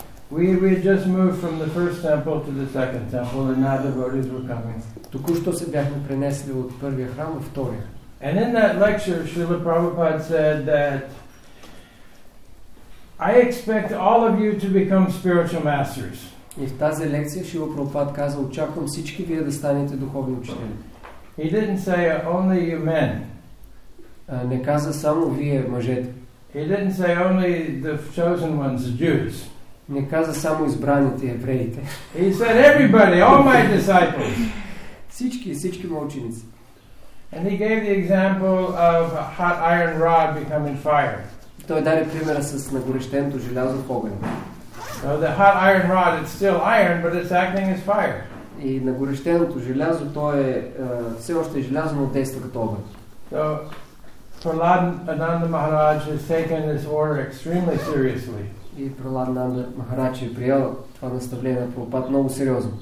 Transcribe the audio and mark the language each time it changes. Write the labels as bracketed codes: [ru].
[en] We had just moved from the first temple to the second temple, and now the devotees were coming. And in that lecture, Srila Prabhupada said that I expect all of you to become spiritual masters. [bg] И в тази лекция Шрила Прабхупад каза, очаквам всички вие да станете духовни учители. [en] He didn't say only you men. [bg] Не каза само вие мъжете. [en] He didn't say only the chosen ones, the Jews. [bg] Не каза само избраните евреите. [en] He said everybody, all my disciples. [bg] Всички мои ученици. [en] And he gave the example of a hot iron rod becoming fire. [bg] Той даде примера с нагорещеното желязо в огън. [en] So the hot iron rod, it's still iron, but it's acting as fire. [bg] И нагорещеното желязо, то е все още желязо, но действа като огън. [en] So, Praladananda Maharaj has taken this order extremely seriously. [bg] И Praladananda Maharaj е приел това наставление на Прабхупад много сериозно.